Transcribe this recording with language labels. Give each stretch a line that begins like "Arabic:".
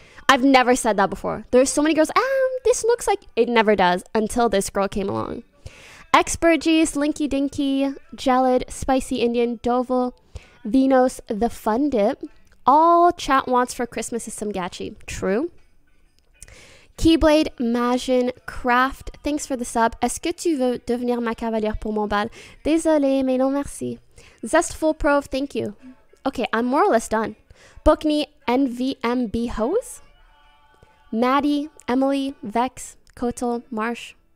English: I've never said that before. There's so many girls, this looks like. It never does until this girl came along. Expergies, Linky Dinky, Jellid, Spicy Indian, Doval, Venos, The Fun Dip. All chat wants for Christmas is some gachi. True. Keyblade, Majin, Craft, thanks for the sub.
French: Est-ce que tu veux devenir ma cavalière pour mon bal? Désolé, mais non merci.
English: Zestful Prove, thank you. Okay, I'm more or less done. Bookney, NVMB Hose. Maddie, Emily, Vex, Kotal, Marsh.